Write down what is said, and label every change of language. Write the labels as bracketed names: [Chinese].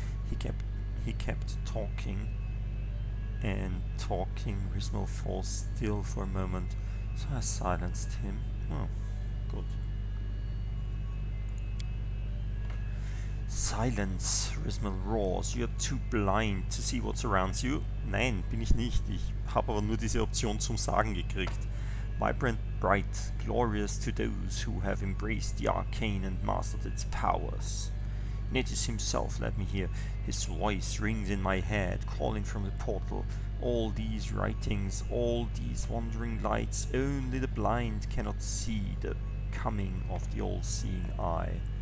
[English] He kept talking and talking. Rismo falls still for a moment, so I silenced him. Oh, good. Silence, Rismel roars. You're too blind to see what surrounds you. [German] Nein, bin ich nicht. Ich habe aber nur diese Option zum Sagen gekriegt. [English] Vibrant, bright, glorious to those who have embraced the arcane and mastered its powers. Nitis himself led me here. His voice rings in my head, calling from the portal. All these writings, all these wandering lights, only the blind cannot see the coming of the all-seeing eye.